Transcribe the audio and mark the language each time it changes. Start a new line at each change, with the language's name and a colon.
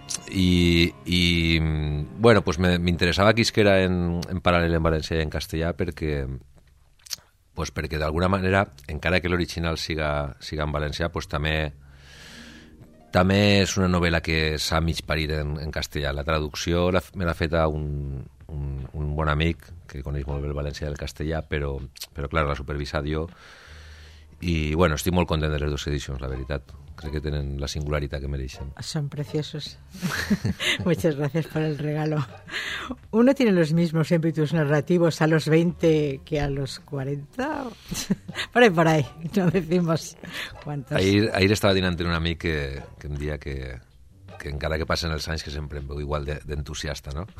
Catalan: I bueno, pues m'interessava que isquera en paral·lel en valencià i en castellà perquè pues perquè d'alguna manera, encara que l'original siga en valencià, pues també és una novel·la que s'ha mig parit en castellà. La traducció me l'ha fet a un bon amic que coneix molt bé el valencià i el castellà, però clar, la supervisa jo. I bueno, estic molt content de les dues edicions, la veritat. Crec que tenen la singularitat que mereixen. Són preciosos.
Spanish: Muchas gracias por el regalo. ¿Uno tiene los mismos ímpetus narrativos a los 20 que a los 40? Por ahí, no decimos cuántos.
Catalan: Ahir estava dinant amb un amic que em deia que encara que passen els anys que sempre em veu igual d'entusiasta, no?